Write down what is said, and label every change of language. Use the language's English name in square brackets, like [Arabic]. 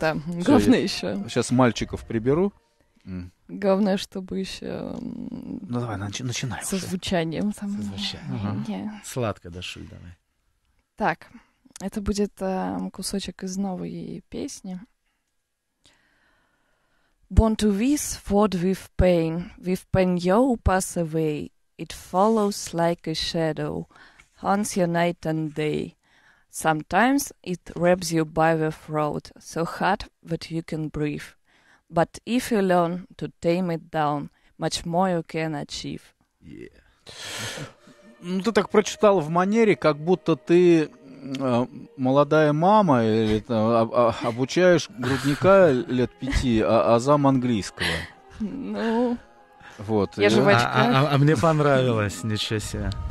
[Russian] Да, всё, главное еще. Сейчас мальчиков приберу. Главное, чтобы еще. Ну давай, начинай. Со звучанием там. Со звучанием. Угу. Сладко дошли, давай. Так, это будет кусочек из новой песни. [English] Born to this world with pain you pass away, it follows like a shadow, haunts your night and day. Sometimes it wraps you by the throat, so hard that you can breathe. But if you learn to tame it down, much more you can achieve. Yeah. [Russian] Ну, ты так прочитал в манере, как будто ты молодая мама или там, обучаешь грудника лет 5, а зам английского. Ну, вот, я же в очках. А мне понравилось, ничего себе.